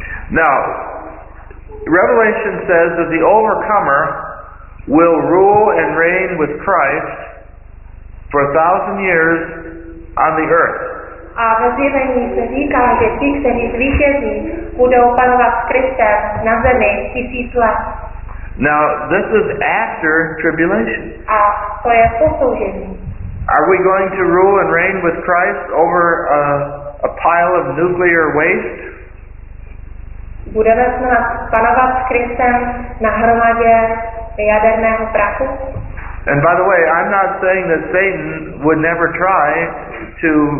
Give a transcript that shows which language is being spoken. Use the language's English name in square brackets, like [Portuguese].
[English] Now, Revelation says that the overcomer will rule and reign with Christ for 1,000 years on the earth. [Czech] A ve zjevení se říká, že ti, kteří zvítězí, budou panovat s Kristem na zemi 1,000 let. [English] Now, this is after tribulation. [Czech] A to je po soužení. [English] Are we going to rule and reign with Christ over a pile of nuclear waste? [Czech] Budeme se panovat s Kristem na hromadě jaderného prachu. [English] And by the way, I'm not saying that Satan would never try to